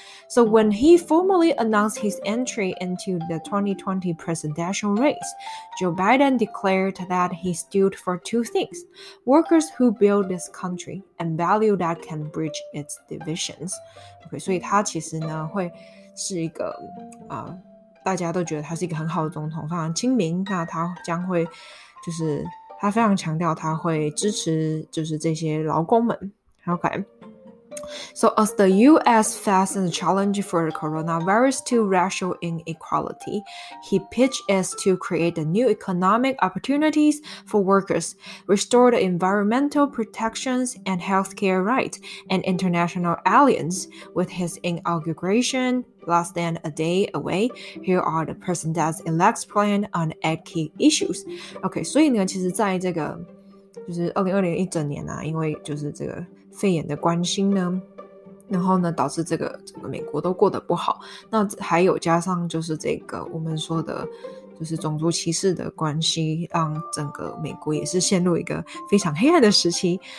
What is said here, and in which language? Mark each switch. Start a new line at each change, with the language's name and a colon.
English: So when he formally announced his entry into the 2020 presidential race, Joe Biden declared that he stood for two things: workers who build this country and value that can bridge its divisions.
Chinese: Okay, 所以他其实呢会。是一个大家都觉得他是一个很好的总统，非常亲民。那他将会就是他非常强调他会支持就是这些劳工们。
English: OK, so as the U.S. faces the challenge for the coronavirus to racial inequality, he pitched us to create the new economic opportunities for workers, restore the environmental protections and healthcare rights, and international alliance with his inauguration. Less than a day away, here are the president-elect's plan on eight key issues.
Chinese: OK, 所以呢，其实在这个就是2020一整年啊，因为就是这个肺炎的关心呢，然后呢，导致这个美国都过得不好。那还有加上就是这个我们说的，就是种族歧视的关系，让整个美国也是陷入一个非常黑暗的时期。